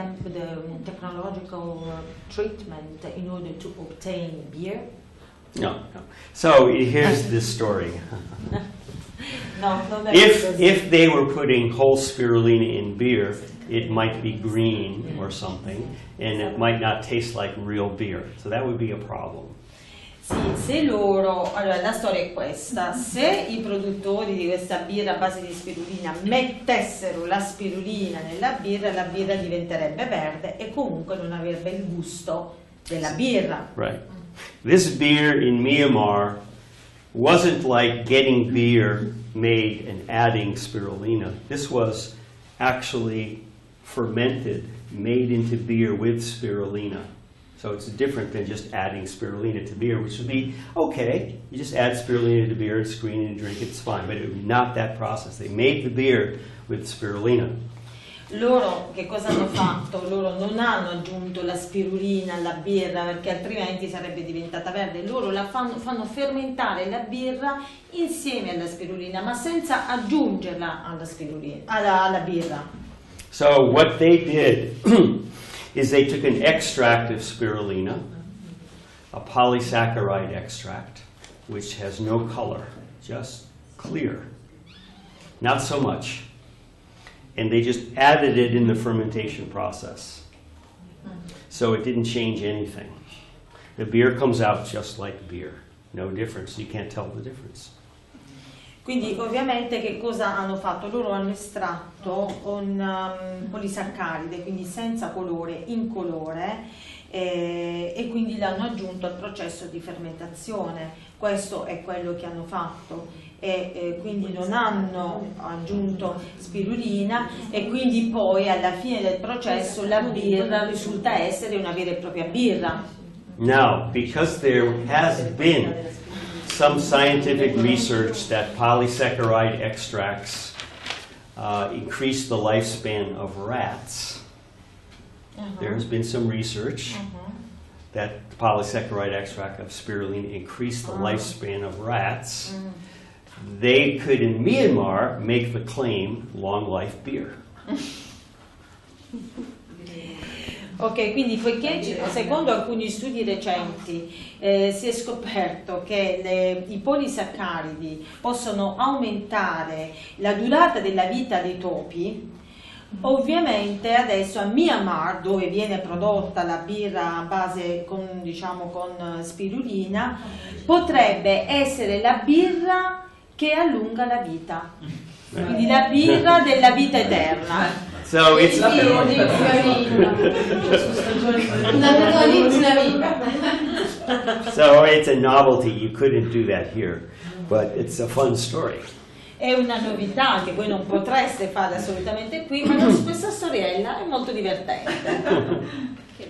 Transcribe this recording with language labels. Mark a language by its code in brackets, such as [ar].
[en] The technological treatment in order to obtain beer? No. So here's this story. If they were putting whole spirulina in beer, it might be green or something, and it might not taste like real beer. So that would be a problem. [it] Sì, se loro, allora la storia è questa, se i produttori di questa birra a base di spirulina mettessero la spirulina nella birra diventerebbe verde e comunque non avrebbe il gusto della birra. [en] Right. This beer in Myanmar wasn't like getting beer made and adding spirulina. This was actually fermented, made into beer with spirulina. So it's different than just adding spirulina to beer, which would be okay. You just add spirulina to beer and screen it and drink it, it's fine. But it's not that process. They made the beer with spirulina. [it] Loro che cosa hanno fatto? Loro non hanno aggiunto la spirulina alla birra perché altrimenti sarebbe diventata verde. Loro la fanno fermentare la birra insieme alla spirulina, ma senza aggiungerla alla spirulina, alla birra. [en] So what they did is they took an extract of spirulina, a polysaccharide extract, which has no color, just clear, not so much, and they just added it in the fermentation process. So it didn't change anything. The beer comes out just like beer, no difference, you can't tell the difference. [it] Quindi ovviamente che cosa hanno fatto? Loro hanno estratto un polisaccaride, quindi senza colore, incolore, e quindi l'hanno aggiunto al processo di fermentazione. Questo è quello che hanno fatto. Quindi non hanno aggiunto spirulina e quindi poi alla fine del processo la birra risulta essere una vera e propria birra. [en] Now, because there has been some scientific research that polysaccharide extracts increase the lifespan of rats. There has been some research that the polysaccharide extract of spirulina increased the lifespan of rats. They could, in Myanmar, make the claim long life beer. [it] Ok, quindi poiché secondo alcuni studi recenti si è scoperto che i polisaccaridi possono aumentare la durata della vita dei topi, ovviamente adesso a Myanmar, dove viene prodotta la birra a base con, diciamo, con spirulina, potrebbe essere la birra che allunga la vita, quindi la birra della vita eterna. [en] So it's up in order. So it's a novelty. You couldn't do that here, but it's a fun story. [it] È una novità che voi non potreste fare assolutamente qui, ma la stessa storiella è molto divertente.